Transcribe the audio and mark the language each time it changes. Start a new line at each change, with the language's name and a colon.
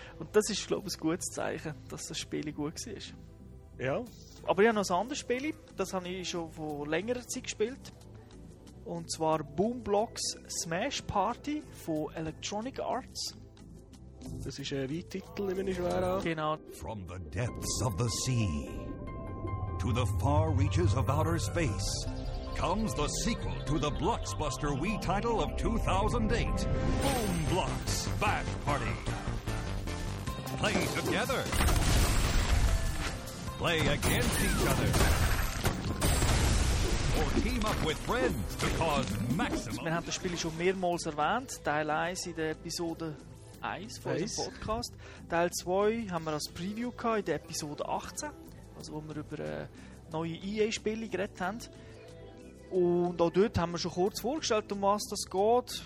German: Und das ist, glaube ich, ein gutes Zeichen, dass das Spiel gut war. Ja. Aber ich habe noch ein anderes Spiel. Das habe ich schon vor längerer Zeit gespielt. Und zwar Boomblocks Smash Party von Electronic Arts. Das ist ein Weittitel, nehme ich schwer an. Genau.
English: From the depths of the sea to the far reaches of outer space comes the sequel to the Bloxbuster Wii title of 2008, Boom Blocks Smash Party. Play together. Play against each other. Or team up with friends to cause maximum.
German: Wir haben das Spiel schon mehrmals erwähnt, Teil 1 in der Episode 1 von unserem Podcast. Teil 2 haben wir als Preview gehabt in der Episode 18, also wo wir über neue EA-Spiele geredet haben. Und auch dort haben wir schon kurz vorgestellt, um was das geht.